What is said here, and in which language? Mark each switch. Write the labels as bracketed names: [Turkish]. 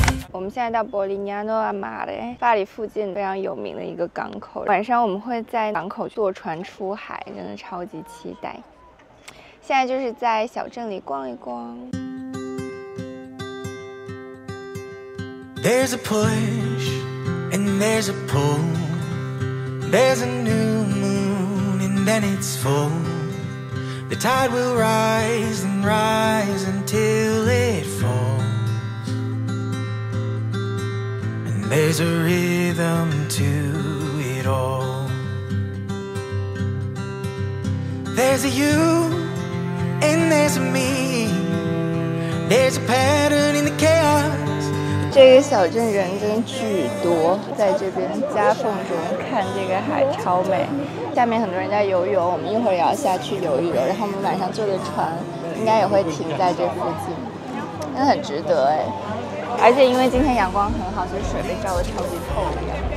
[Chinese] 我们现在到博利尼亚诺阿马雷，巴黎附近非常有名的一个港口。晚上我们会在港口坐船出海，真的超级期待。现在就是在小镇里逛一逛。 [English] There's a push and there's a pull, there's a new moon and then it's full. The tide will rise and rise until it falls. There's a rhythm to it all. There's a you and there's a me. There's a pattern in the chaos. [Chinese] 这个小镇人真巨多，在这边夹缝中看这个海超美。下面很多人在游泳，我们一会儿也要下去游一游。然后我们晚上坐的船应该也会停在这附近，真的很值得哎。而且因为今天阳光很好，所以水被照得超级透亮。